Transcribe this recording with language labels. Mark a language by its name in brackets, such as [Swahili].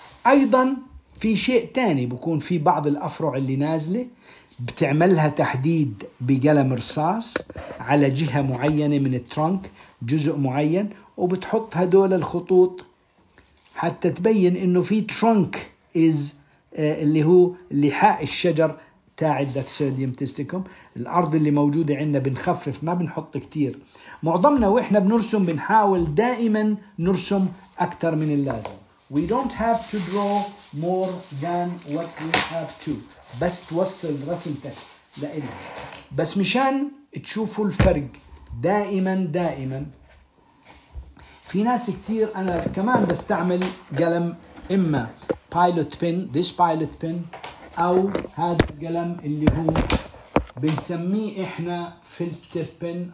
[Arabic] أيضا في شيء تاني بكون في بعض الأفرع اللي نازلة بتعملها تحديد بقلم رصاص على جهة معينة من الترنك جزء معين وبتحط هدول الخطوط حتى تبين إنه في ترنك إز اللي هو لحاء الشجر تاع الدكسوديوم تيستيكوم. الأرض اللي موجودة عندنا بنخفف ما بنحط كتير. معظمنا وإحنا بنرسم بنحاول دائما نرسم أكتر من اللازم. [English] We don't have to draw more than what we have to. [Arabic] بس توصل رسمتك لإلها. بس مشان تشوفوا الفرق دائما دائما. في ناس كتير أنا كمان بستعمل قلم إما [English] pilot pen, this pilot pen, [Arabic] أو هذا القلم اللي هو بنسميه إحنا filter pen.